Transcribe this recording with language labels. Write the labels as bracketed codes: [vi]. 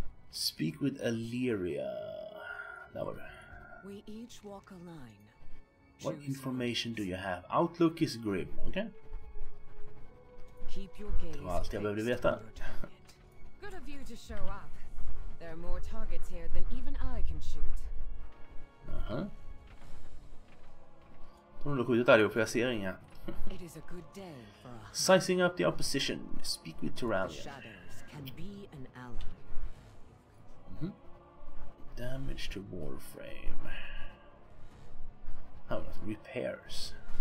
[en] Speak with Elyria. That was... We each walk a line. What information do you have? Outlook is grim, okay? Keep your gaze. [sv] Det var allt jag behövde veta. [en] Good of you to show up. There are more targets here than even I can shoot. Uh-huh. [sv] Jag tror att du skjuter allihop, för jag ser inga. [en] It is a good day for us. Sizing up the opposition. Speak with Terralia. Shadows can be an ally. Damage to warframe. How about repairs?